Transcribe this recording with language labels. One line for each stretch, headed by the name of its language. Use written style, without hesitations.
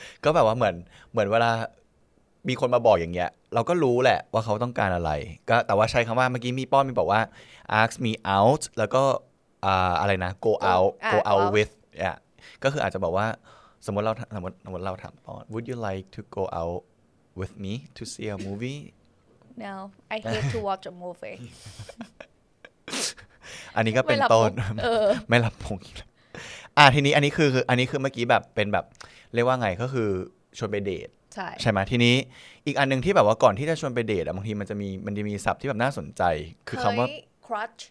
Thai: ก็แบบว่าเหมือนเวลามีคนมาบอกอย่างเงี้ยเราก็รู้แหละว่าเขาต้องการอะไรก็แต่ว่าใช้คำว่าเมื่อกี้มีป้อมมีบอกว่า
English: ask me out
Thai: แล้วก็อะไรนะ
English: go out with
Thai: อ่ะก็คืออาจจะบอกว่าสมมติเราถามป้อม
English: would you like to go out with me to see a movie Now I hate to watch a movie.
Thai: อันนี้ก็เป็นต้นไม่รับผงอ่ะทีนี้อันนี้คือเมื่อกี้แบบเป็นแบ เรียกว่าไงก็คือชวนไปเดท ใช่ ใช่มั้ยทีนี้อีกอันนึงที่แบบว่าก่อนที่จะชวนไปเดทอ่ะบางทีมันจะมีศัพท์ที่แบบน่าสนใจ คือคำ ว่า
English: crush